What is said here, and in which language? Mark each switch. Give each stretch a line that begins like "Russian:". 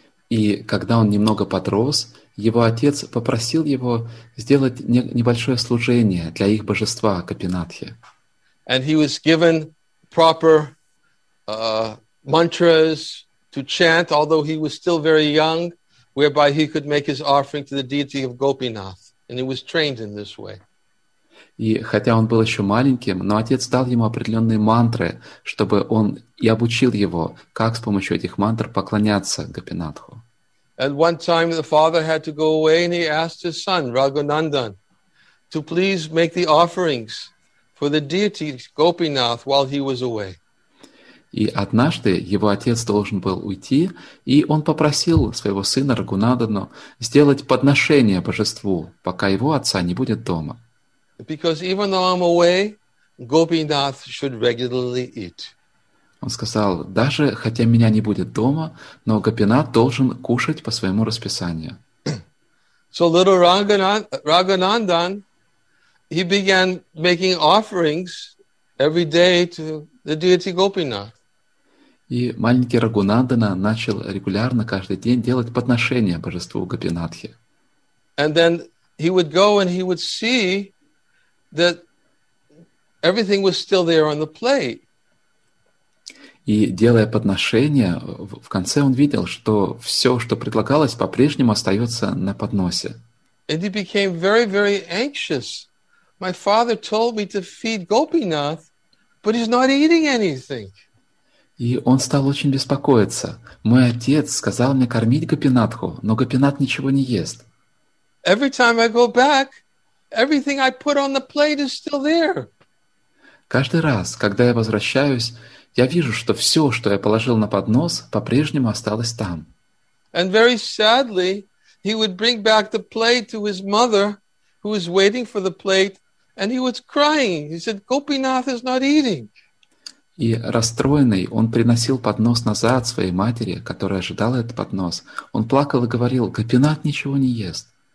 Russian: И когда он немного подрос, его отец попросил его сделать небольшое служение для их божества Гопинатхи.
English: And he was given proper mantras to chant, although he was still very young, whereby he could make his offering to the deity of Gopinath. And he was trained in this way.
Russian: И хотя он был еще маленьким, но отец дал ему определенные мантры, чтобы он и обучил его, как с помощью этих мантр поклоняться Гопинатху.
English: And one time the father had to go away and he asked his son, Raghunandan, to please make the offerings for the deity Gopinath while he was away.
Russian: И однажды его отец должен был уйти, и он попросил своего сына Рагунандану сделать подношение божеству, пока его отца не будет дома.
English: Because even though I'm away, Gopinath should regularly eat.
Russian: Он сказал, даже хотя меня не будет дома, но Гопинат должен кушать по своему расписанию.
English: So little Raghunandan, he began making offerings every day to the deity Gopinath.
Russian: И маленький Рагунандана начал регулярно каждый день делать подношения божеству Гопинатхе.
English: And then he would go and he would see that everything was still there on the plate.
Russian: И делая подношение, в конце он видел, что все, что предлагалось, по-прежнему остается на подносе.
English: And he became very, very anxious. My father told me to feed Gopinath, but he's not eating anything.
Russian: И он стал очень беспокоиться. Мой отец сказал мне кормить Гопинатху, но Гопинат ничего не ест.
English: Every time I go back, everything I put on the plate is still there.
Russian: Каждый раз, когда я возвращаюсь, я вижу, что все, что я положил на поднос, по-прежнему осталось там.
English: And very sadly, he would bring back the plate to his mother, who was waiting for the plate, and he was crying. He said, Gopinath is not eating.
Russian: И расстроенный, он приносил поднос назад своей матери, которая ожидала этот поднос. Он плакал и говорил, Гопинат ничего не ест.